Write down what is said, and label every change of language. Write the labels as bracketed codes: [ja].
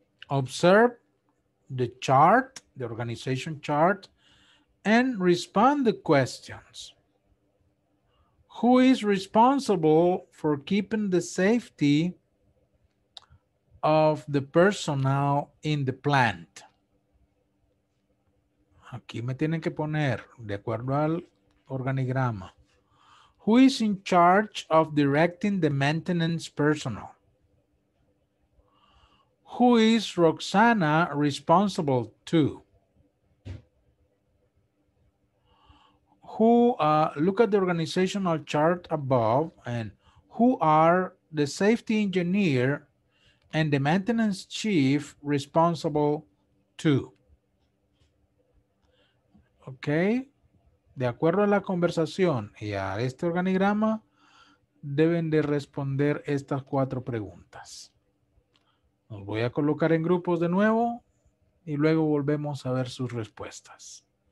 [en] Observe the chart, the organization chart, and respond the questions. Who is responsible for keeping the safety of the personnel in the plant? [es] Aquí me tienen que poner de acuerdo al organigrama. [en] Who is in charge of directing the maintenance personnel? Who is Roxana responsible to? Look at the organizational chart above, and who are the safety engineer and the maintenance chief responsible to? Okay. [es] De acuerdo a la conversación y a este organigrama, deben de responder estas cuatro preguntas. Los voy a colocar en grupos de nuevo y luego volvemos a ver sus respuestas.